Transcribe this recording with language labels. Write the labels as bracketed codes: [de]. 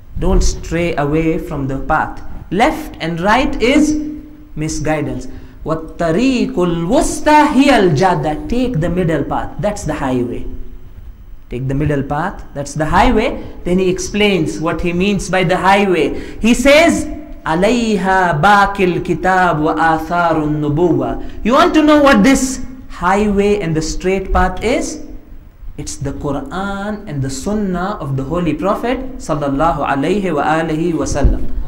[en] Don't stray away from the path. Left and right is misguidance. [ar] وَالطَّرِيقُ الْوُسْطَى هِيَ الْجَادَى. [en] Take the middle path, that's the highway. Take the middle path, that's the highway. Then he explains what he means by the highway. He says, [ar] عَلَيْهَا بَاكِ الْكِتَابُ وَآثَارُ النُّبُوَّةِ. [en] You want to know what this highway and the straight path is? It's the Quran and the Sunnah of the Holy Prophet [ar] صلى الله عليه وآله وسلم.